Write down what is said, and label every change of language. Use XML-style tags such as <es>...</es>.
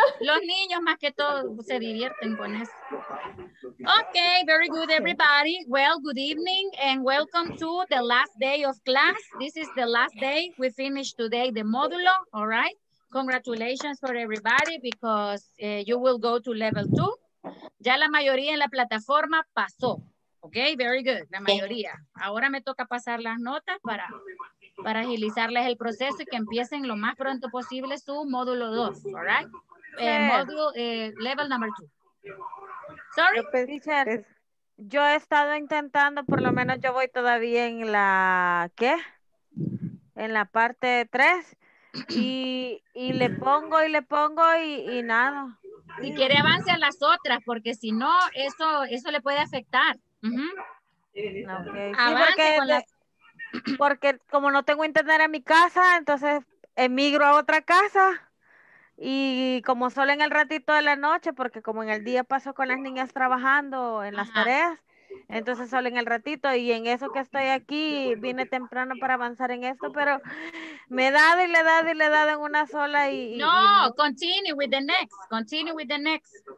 <es>Los niños más que todo se divierten con eso.</es> <en>Okay, very good, everybody. Well, good evening and welcome to the last day of class. This is the last day. We finished today the módulo, all right? Congratulations for everybody because you will go to level 2.</en> <es>Ya la mayoría en la plataforma pasó.</es> <en>Ok, very good,</en> <es>la mayoría. Ahora me toca pasar las notas para agilizarles el proceso y que empiecen lo más pronto posible su módulo 2,</es> <en>all right? Level number 2. Sorry? Teacher,</en> <es>Yo he estado intentando, por lo menos yo voy todavía en la, ¿qué? En la parte 3. Y le pongo y le pongo y nada. Y quiere avance a las otras, porque si no, eso le puede afectar. Uh-huh. Okay. Sí, porque, porque como no tengo internet en mi casa, entonces emigro a otra casa. Y como solo en el ratito de la noche, porque como en el día paso con las niñas trabajando en las tareas, entonces solo en el ratito, y en eso que estoy aquí, vine temprano para avanzar en esto, pero me he dado y le he dado y le he dado en una sola y...</es> <en>No, continue with the next, continue with the next.</en>